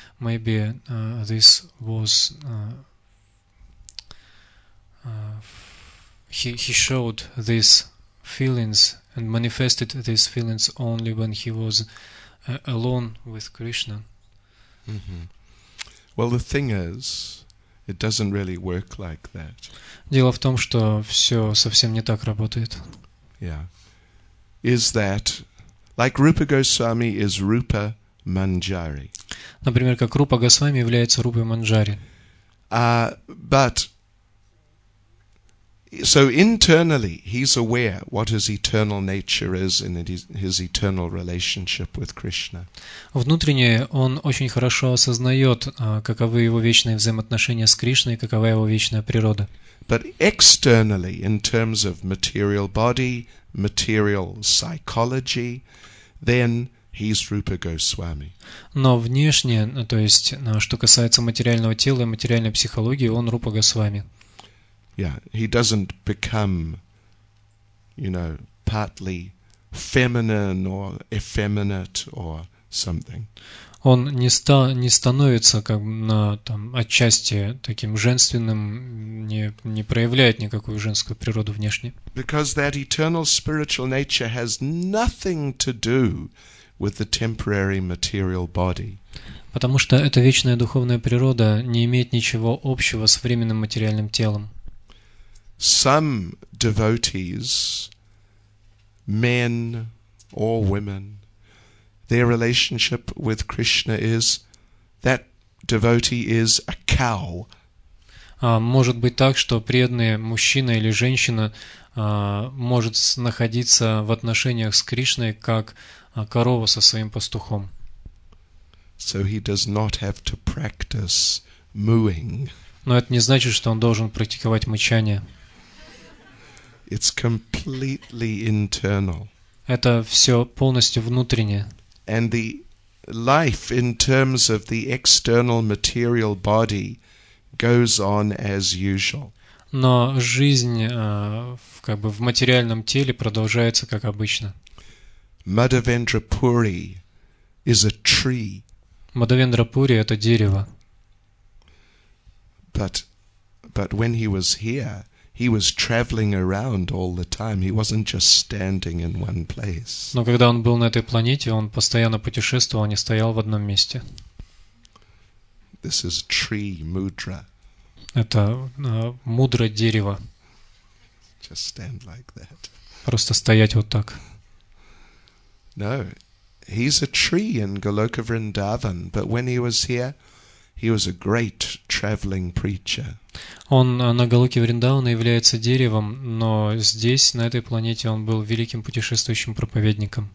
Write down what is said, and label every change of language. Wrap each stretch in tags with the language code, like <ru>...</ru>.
<en>Maybe this was he showed these feelings and manifested these feelings only when he was alone with Krishna. Mm-hmm. Well, the thing is, it doesn't really work like that.</en> <ru>Дело в том, что все совсем не так работает. Yeah.</ru> <en>Is that, like Rupa Goswami is Rupa Manjari.</en> <ru>Например, как Рупа Госвами является Рупой Манджари.</ru> <en>But, so internally, he's aware what his eternal nature is and his eternal relationship with Krishna.</en> <ru>Внутренне он очень хорошо осознает, каковы его вечные взаимоотношения с Кришной и какова его вечная природа.</ru> <en>But externally, in terms of material body, material psychology, then he's Rupa Goswami.</en> <ru>Но внешне, то есть, что касается материального тела и материальной психологии, он Рупа Госвами.</ru> <en>Yeah, he doesn't become, you know, partly feminine or effeminate or something.</en> <ru>Он не становится как на там отчасти таким женственным, не проявляет никакую женскую природу внешне.</ru> <en>Because that eternal spiritual nature has nothing to do with the temporary material body.</en> <ru>Потому что эта вечная духовная природа не имеет ничего общего с временным материальным телом.</ru> <en>Some devotees, men or women, their relationship with Krishna is that devotee is a cow.</en> <ru>Может быть так, что преданный мужчина или женщина может находиться в отношениях с Кришной как корова со своим пастухом.</ru> <en>So he does not have to practice mooing.</en> <ru>Но это не значит, что он должен практиковать мычание.</ru> <en>It's completely internal.</en> <ru>Это все полностью внутреннее.</ru> <en>And the life in terms of the external material body goes on as usual.</en> <ru>Но жизнь как бы в материальном теле продолжается как обычно.</ru> <en>Madhavendra Puri is a tree.</en> <ru>Madhavendra Puri — это дерево.</ru> <en>But when he was here, he was traveling around all the time. He wasn't just standing in one place.</en> <ru>Но когда он был на этой планете, он постоянно путешествовал, не стоял в одном месте.</ru> <en>This is tree mudra.</en> <ru>Это мудра дерева.</ru> <en>Just stand like that.</en> <ru>Просто стоять вот так.</ru> <en>No, he's a tree in Goloka Vrindavan, but when he was here, he was a great traveling preacher.</en> <ru>Он на Голоке Вриндавана является деревом, но здесь, на этой планете, он был великим путешествующим проповедником.</ru>